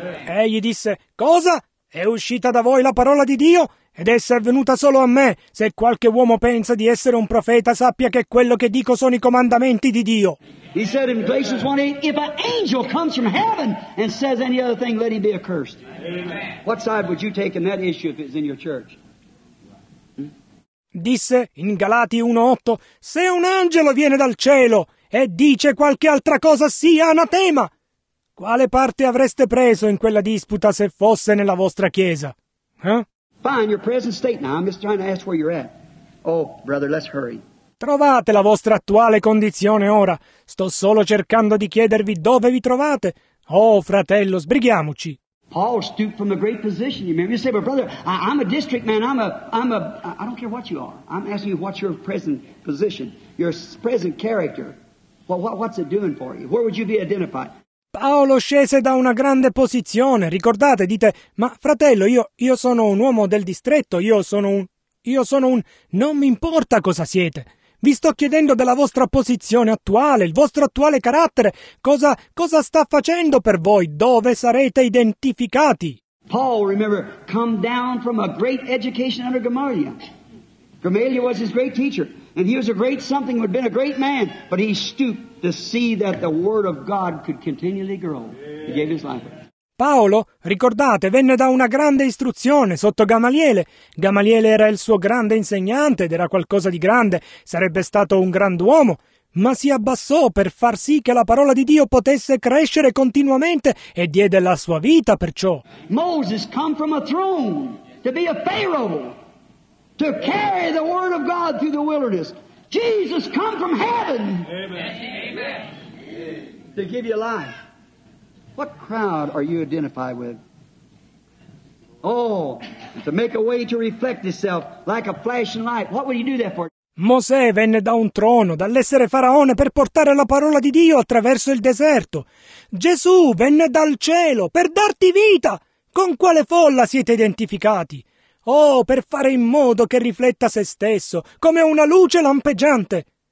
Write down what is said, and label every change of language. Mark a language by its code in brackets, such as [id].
[it] Egli disse, cosa? È uscita da voi la parola di Dio ed essa è venuta solo a me. Se qualche uomo pensa di essere un profeta, sappia che quello che dico sono i comandamenti di Dio. [en] He said in Galatians 1:8, if an angel comes from heaven and says any other thing, let him be accursed. Amen. What side would you take in that issue if it's in your church? [it] Disse in Galati 1:8, se un angelo viene dal cielo e dice qualche altra cosa sia anatema, quale parte avreste preso in quella disputa se fosse nella vostra chiesa? [en] Fine, your present state now. I'm just trying to ask where you're at. Oh, brother, let's hurry. [it] Trovate la vostra attuale condizione ora. Sto solo cercando di chiedervi dove vi trovate. Oh, fratello, sbrighiamoci. [en] Paul stooped from a great position. You remember? You say, but brother, I'm a district man. I don't care what you are. I'm asking you what's your present position, your present character. What's it doing for you? Where would you be identified? [it] Paolo scese da una grande posizione. Ricordate, dite, ma fratello, io sono un uomo del distretto. Io sono un. Non mi importa cosa siete. Vi sto chiedendo della vostra posizione attuale, il vostro attuale carattere. Cosa sta facendo per voi? Dove sarete identificati? [en] Paul, remember, come down from a great education under Gamaliel. Gamaliel was his great teacher, and he was a great something, would have been a great man, but he stooped to see that the word of God could continually grow. He gave his life. [it] Paolo, ricordate, venne da una grande istruzione sotto Gamaliele. Gamaliele era il suo grande insegnante ed era qualcosa di grande, sarebbe stato un grand'uomo, ma si abbassò per far sì che la parola di Dio potesse crescere continuamente e diede la sua vita per ciò. [en] Moses come from a throne to be a Pharaoh, to carry the word of God through the wilderness. Jesus come from heaven. Amen. To give you life. What crowd are you identified with? Oh, to make a way to reflect itself like a flashing light. What would he do that for? [it] Mosè venne da un trono, dall'essere faraone, per portare la parola di Dio attraverso il deserto. Gesù venne dal cielo per darti vita. Con quale folla siete identificati? Oh, per fare in modo che rifletta se stesso, come una luce lampeggiante.